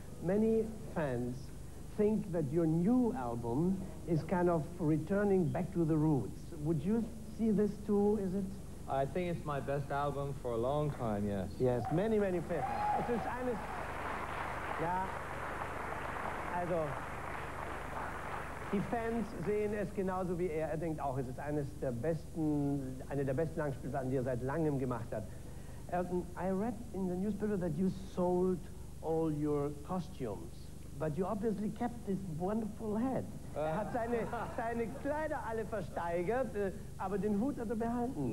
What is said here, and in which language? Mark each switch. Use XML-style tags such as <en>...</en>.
<en>Many fans think that your new album is kind of returning back to the roots. Would you see this too, is it? I think it's my best album for a long time, yes. Yes, many, many fans.</en> <de>Es ist eines, ja, also, die Fans sehen es genauso wie er. Er denkt auch, es ist eine der besten Langspielplatten, die er seit langem gemacht hat.</de> <en>Elton, I read in the newspaper that you sold all your costumes, but you obviously kept this wonderful head.</en> <de>Er hat seine Kleider alle versteigert, aber den Hut hat er behalten.</de>